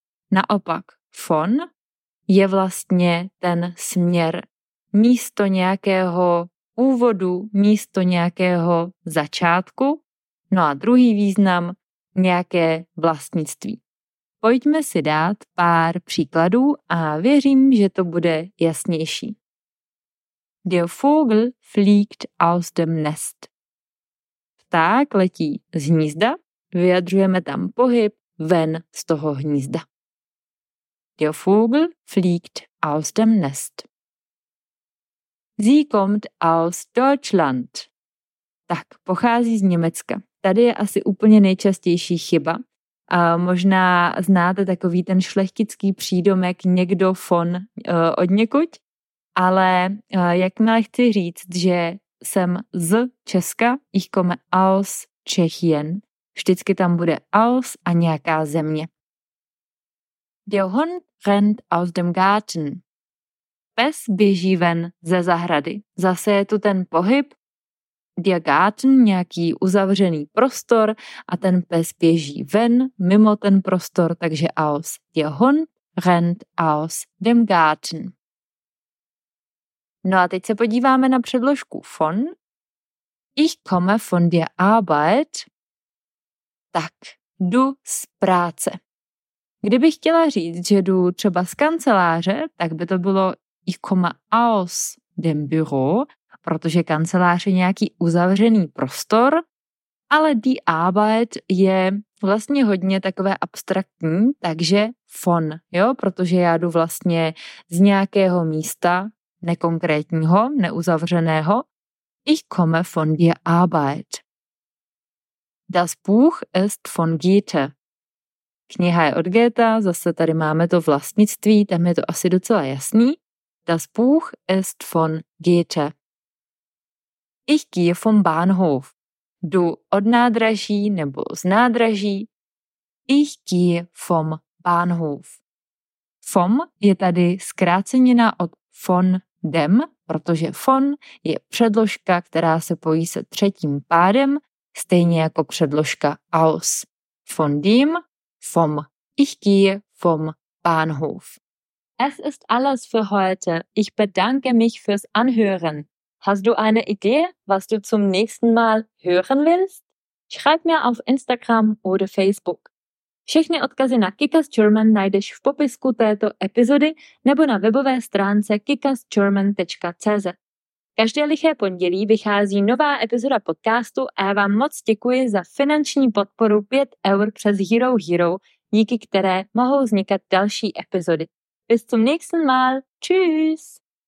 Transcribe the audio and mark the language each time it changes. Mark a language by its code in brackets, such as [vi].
[cs] Naopak von je vlastně ten směr, místo nějakého úvodu, místo nějakého začátku, no a druhý význam, nějaké vlastnictví. Pojďme si dát pár příkladů a věřím, že to bude jasnější. [de] Der Vogel fliegt aus dem Nest. [cs] Pták letí z hnízda, vyjadřujeme tam pohyb ven z toho hnízda. [de] Der Vogel fliegt aus dem Nest. Sie kommt aus Deutschland. [cs] Tak, pochází z Německa. Tady je asi úplně nejčastější chyba. Možná znáte takový ten šlechtický přídomek někdo von od někud, ale jakmile chci říct, že jsem z Česka, [de] ich komme aus Tschechien, [cs] vždycky tam bude aus a nějaká země. [de] Der Hund rennt aus dem Garten. [cs] Pes běží ven ze zahrady. Zase je tu ten pohyb, der Garten, nějaký uzavřený prostor a ten pes běží ven mimo ten prostor, takže aus. [de] Der Hund rennt aus dem Garten. [cs] No a teď se podíváme na předložku von. [de] Ich komme von der Arbeit. [cs] Tak, jdu z práce. Kdybych chtěla říct, že jdu třeba z kanceláře, tak by to bylo [de] ich komme aus dem Büro, [cs] protože kancelář je nějaký uzavřený prostor, ale die Arbeit je vlastně hodně takové abstraktní, takže von, jo, protože já jdu vlastně z nějakého místa, nekonkrétního, neuzavřeného, [de] Ich komme von der Arbeit. Das Buch ist von Goethe. [cs] Kniha je od Goethe, zase tady máme to vlastnictví, tam je to asi docela jasný. [de] Das Buch ist von Goethe. Ich gehe vom Bahnhof. [cs] Jdu od nádraží nebo z nádraží. [de] Ich gehe vom Bahnhof. [cs] Vom je tady zkráceněna od von dem, protože von je předložka, která se pojí se třetím pádem, stejně jako předložka aus. [de] Von dem, vom. Ich gehe vom Bahnhof. Es ist alles für heute. Ich bedanke mich fürs Anhören. Hast du eine Idee, was du zum nächsten Mal hören willst? Schreib mir auf Instagram oder Facebook. [cs] Všechny odkazy na Kickass German najdeš v popisku této epizody nebo na webové stránce kickassgerman.cz. Každé liché pondělí vychází nová epizoda podcastu a já vám moc děkuji za finanční podporu 5 eur přes Hero Hero, díky které mohou vznikat další epizody. [de] Bis zum nächsten Mal. Tschüss!